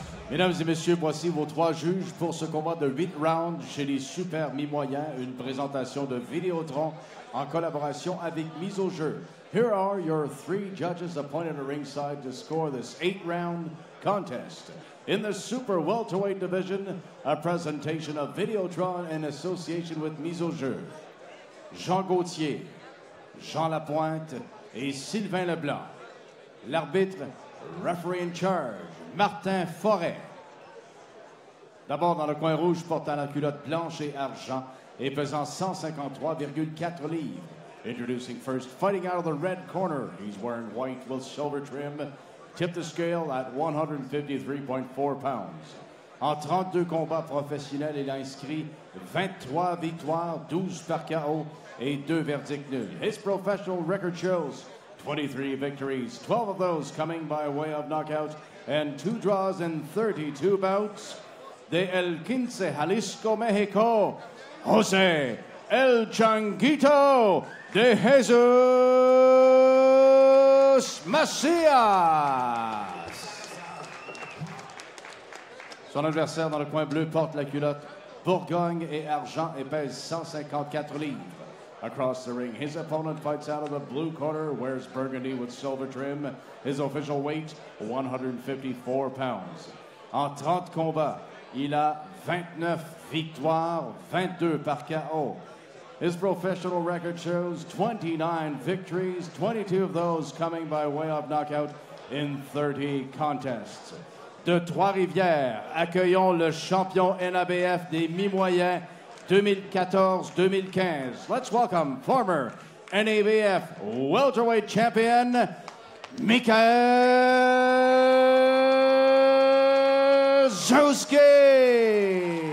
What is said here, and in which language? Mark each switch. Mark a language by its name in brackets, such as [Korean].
[French] Mesdames et messieurs, voici vos trois juges pour ce combat de 8 rounds chez les Super Mi-Moyens, une présentation de Vidéotron en collaboration avec Mise au Jeu. [English] Here are your three judges appointed at ringside to score this 8-round contest. In the Super Welterweight Division, a presentation of Vidéotron in association with Mise au Jeu. [French] Jean Gauthier, Jean Lapointe et Sylvain Leblanc. L'arbitre, [English] referee in charge. Martin Forêt. [French] D'abord dans le coin rouge, portant la culotte blanche et argent et pesant 153,4 livres. [English] Introducing first, fighting out of the red corner. He's wearing white with silver trim. Tip the scale at 153.4 pounds. [French] En 32 combats professionnels, il a inscrit 23 victoires, 12 par KO et 2 verdicts nuls. [English] His professional record shows 23 victories, 12 of those coming by way of knockout. And two draws in 32 bouts. De El Quince, Jalisco, Mexico, Jose El Changuito de Jesus Macias. [French] Son adversaire dans le coin bleu porte la culotte Bourgogne et argent et pèse 154 livres. [English] Across the ring, his opponent fights out of the blue corner, wears burgundy with silver trim. His official weight, 154 pounds. [French] En 30 combats, il a 29 victoires, 22 par KO. [English] His professional record shows 29 victories, 22 of those coming by way of knockout in 30 contests. [French] De Trois-Rivières, accueillons le champion NABF des mi-moyens 2014-2015. [English] Let's welcome former NABF welterweight champion, Michael Zuski.